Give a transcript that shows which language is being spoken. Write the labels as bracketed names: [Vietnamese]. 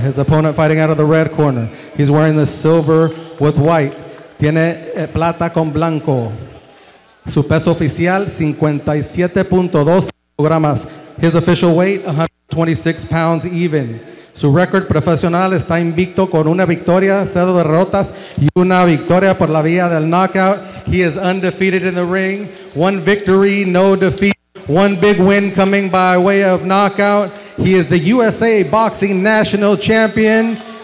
[English] His opponent fighting out of the red corner. He's wearing the silver with white. [Spanish] Tiene plata con blanco. Su peso oficial, 57.2 kilogramos. [English] His official weight, 126 pounds even. [Spanish] Su récord profesional está invicto con 1 victoria, 0 derrotas y 1 victoria por la vía del knockout. [English] He is undefeated in the ring. 1 victory, no defeat. 1 big win coming by way of knockout. He is the USA Boxing National Champion.